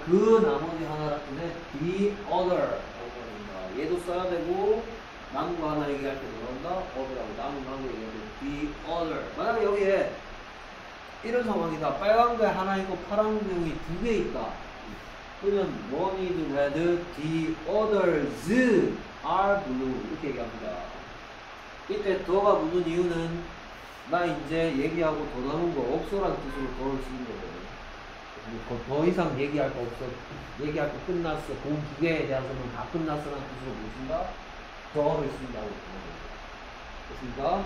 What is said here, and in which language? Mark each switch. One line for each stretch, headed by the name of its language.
Korean: 그 나머지 하나라 때문에
English: the other.
Korean: 얘도 써야 되고 남은 거 하나 얘기할 때도 그런다. other라고 남은 거 하나 얘기할 때
English: the other.
Korean: 만약에 여기에 이런 상황이다. 빨간 게 하나 있고 파란 공이 두개 있다. 그러면
English: one is red, the others are blue.
Korean: 이렇게 얘기합니다. 이때 더가 묻는 이유는 나 이제 얘기하고 더 남은 거 없어라는 뜻으로 더를 쓰는 거거든요. 더 이상 얘기할 거 없어. 얘기할 거 끝났어. 공두 개에 대해서는 다 끝났어라는 뜻으로 묻는다. 더를 쓴다고 그러는 거예요.